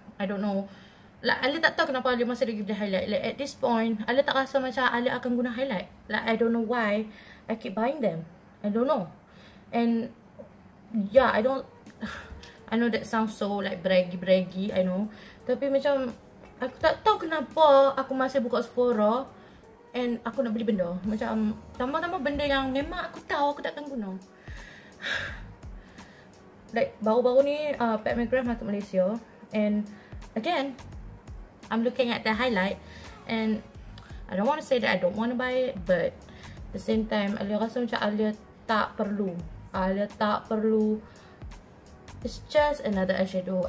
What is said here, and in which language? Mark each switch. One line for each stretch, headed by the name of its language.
Malay: Like Ali tak tahu kenapa Ali masih lagi boleh highlight.
English: Like at this point,
Malay: Ali tak rasa macam Ali akan guna highlight.
English: Like I don't know why I keep buying them. I don't know. And yeah, I know that sounds so like braggy, I know.
Malay: Tapi macam aku tak tahu kenapa aku masih buka Sephora and aku nak beli benda. Macam tambah-tambah benda yang memang aku tahu aku takkan guna.
English: Like
Malay: baru-baru ni Pat McGrath masuk Malaysia,
English: and again I'm looking at the highlight and I don't want to say that I don't want to buy it, but at the same time
Malay: Alia rasa macam Alia tak perlu. Alia tak perlu.
English: It's just another eyeshadow.